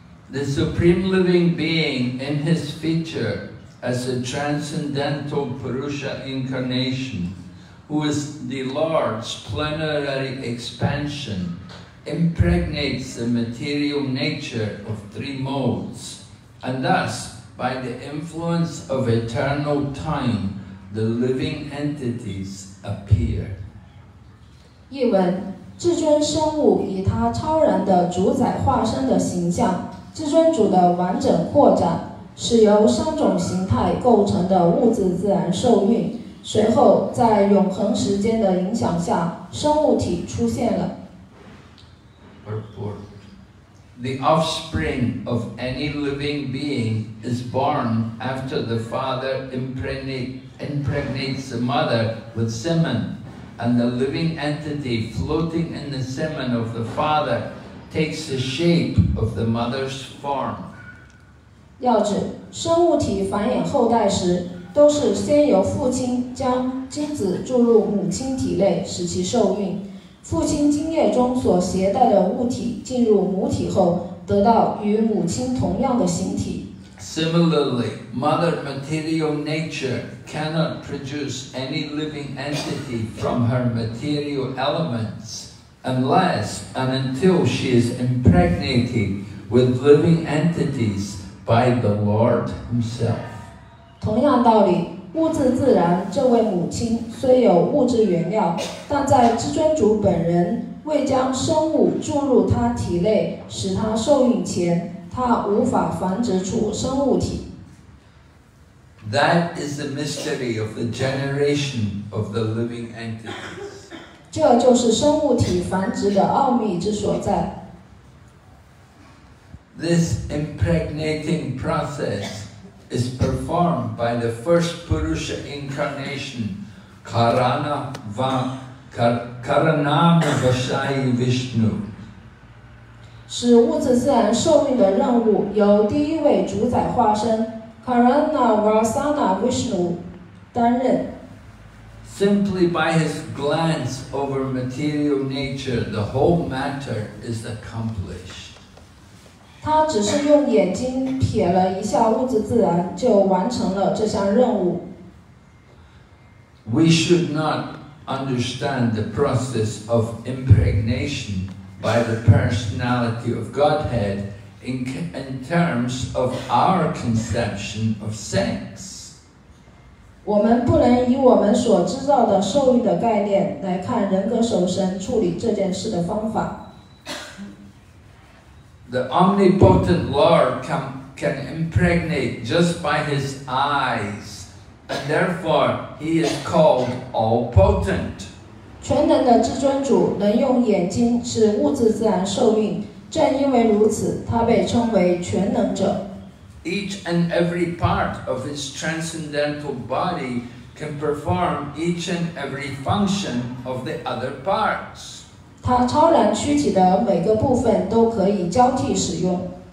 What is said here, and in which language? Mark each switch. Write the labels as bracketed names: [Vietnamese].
[English] The Supreme Living Being in His feature as a transcendental Purusha incarnation, who is the Lord's plenary expansion, impregnates the material nature of three modes, and thus, by the influence of eternal time, the living entities appear. [Chinese] 译文：至尊生物以他超然的主宰化身的形象。至尊主的完整扩展，是由三种形态构成的物质自然受孕，随后在永恒时间的影响下，生物体出现了。 [English] The offspring of any living being is born after the father impregnates the mother with semen, and the living entity floating in the semen of the father. Takes the shape of the mother's form. [Chinese] 要指生物体繁衍后代时，都是先由父亲将精子注入母亲体内，使其受孕。父亲精液中所携带的物体进入母体后，得到与母亲同样的形体。 [English] Similarly, mother material nature cannot produce any living entity from her material elements. Unless and until she is impregnated with living entities by the Lord Himself. [Chinese] 同样道理，物质自然这位母亲虽有物质原料，但在至尊主本人未将生物注入她体内使她受孕前，她无法繁殖出生物体。 [English] That is the mystery of the generation of the living entities. [Chinese] 这就是生物体繁殖的奥秘之所在。 [English] This impregnating process is performed by the first Purusha incarnation, Karanamavashayi Vishnu. [Chinese] 使物质自然受孕的任务由第一位主宰化身 Karanavasana Vishnu 担任。 [English] Simply by his glance over material nature, the whole matter is accomplished. [Chinese] 他只是用眼睛瞥了一下物质自然，就完成了这项任务。 [English] We should not understand the process of impregnation by the personality of Godhead in terms of our conception of sex. [Chinese] 我们不能以我们所知道的受孕的概念来看人格守神处理这件事的方法。 [English] The omnipotent Lord can impregnate just by his eyes. Therefore, he is called all potent. [Chinese] 全能的至尊主能用眼睛使物质自然受孕，正因为如此，他被称为全能者。 [English] Each and every part of his transcendental body can perform each and every function of the other parts. [Chinese] 他超然躯体的每个部分都可以交替使用。